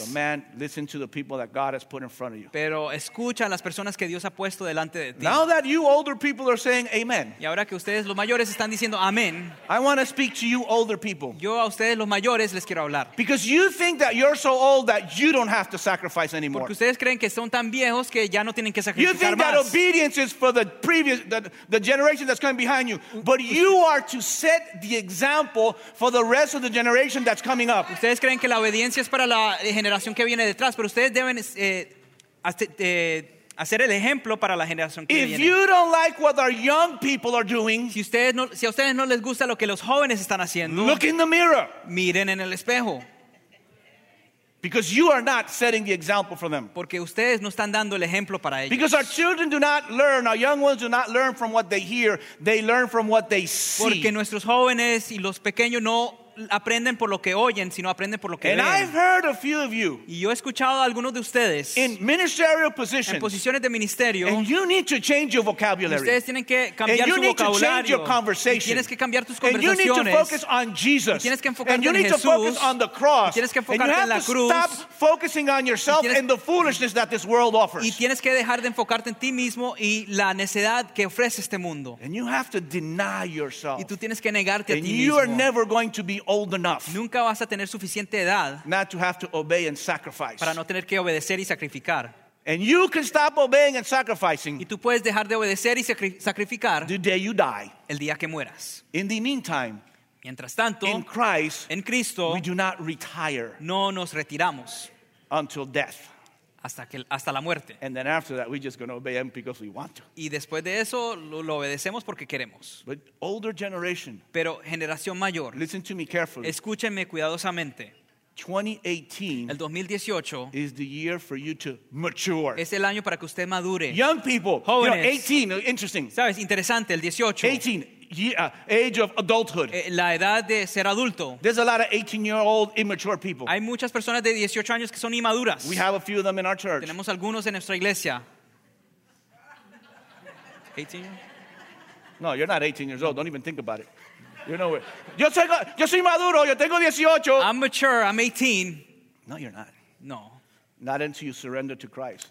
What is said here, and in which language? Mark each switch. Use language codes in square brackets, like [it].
[en] But man, listen to the people that God has put in front of you. [es] Pero escucha a las personas que Dios ha puesto delante de ti. [en] Now that you older people are saying amen. [es] Y ahora que ustedes los mayores están diciendo amén. [en] I want to speak to you older people. [es] Yo a ustedes los mayores les quiero hablar. [en] Because you think that you're so old that you don't have to sacrifice anymore. [es] Porque ustedes creen que son tan viejos que ya no tienen que sacrificar más. [en] You think [es] más. [en] That obedience is for the generation that's coming behind you. But you are to set the example for the rest of the generation that's coming up. [es] Ustedes creen que la obediencia es para la generación que viene detrás, pero ustedes deben hacer el ejemplo para la generación que [en] if [es] viene. [en] If you don't like what our young people are doing, [es] si a ustedes no les gusta lo que los jóvenes están haciendo, [en] look in the mirror. [es] Miren en el espejo. [en] Because you are not setting the example for them. [es] Porque ustedes no están dando el ejemplo para ellos. [en] Because our children do not learn, our young ones do not learn from what they hear, they learn from what they see. [es] Porque nuestros jóvenes y los pequeños no aprenden por lo que oyen, sino aprenden por lo que ven. [en] And I've heard a few of you. [es] Y yo he escuchado a algunos de ustedes. [en] In ministerial positions. [es] En posiciones de ministerio. [en] And you need to change your vocabulary. [es] Ustedes tienen que cambiar [en] and [es] su vocabulario. [en] And you need to change your conversation. [es] Y tienes que cambiar tus conversaciones. [en] And you need to focus on Jesus. [es] Y tienes que enfocarte en Jesús. [en] And you need to focus on the cross. [es] Y tienes que enfocarte en la cruz. [en] And you have to stop focusing on yourself and the foolishness that this world offers. [es] Y tienes que dejar de enfocarte en ti mismo y la necedad que ofrece este mundo. [en] And you have to deny yourself. [es] Y tú tienes que negarte a ti mismo. [en] And you are never going to be old enough. [es] Nunca vas a tener suficiente edad. [en] Not to have to obey and sacrifice. [es] Para no tener que obedecer y sacrificar. [en] And you can stop obeying and sacrificing. [es] Y tú puedes dejar de obedecer y sacrificar. [en] The day you die. [es] El día que mueras. [en] In the meantime. [es] Mientras tanto. [en] In Christ. [es] En Cristo. [en] We do not retire. [es] No nos retiramos. [en] Until death. [es] Hasta la muerte. [en] And then after that, we're just going to obey him because we want to. [es] Y después de eso, lo obedecemos porque queremos. [en] But older generation. [es] Pero generación mayor. [en] Listen to me carefully. [es] Escúchenme cuidadosamente. [en] 2018. [es] El 2018. [en] Is the year for you to mature. [es] Es el año para que usted madure. [en] Young people. [es] Jóvenes. [en] You know, 18. Interesting. [es] Sabes, interesante, el 18. [en] 18. Yeah, age of adulthood. [es] La edad de ser adulto. [en] There's a lot of 18-year-old immature people. [es] Hay muchas personas de 18 años que son inmaduras. [en] We have a few of them in our church. [es] Tenemos algunos en nuestra iglesia. [en] 18 years old? No, you're not 18 years old. Don't even think about it. You know where. [es] Yo soy maduro. Yo tengo 18. [en] I'm mature. I'm 18. No, you're not. [es] No. [en] Not until you surrender to Christ.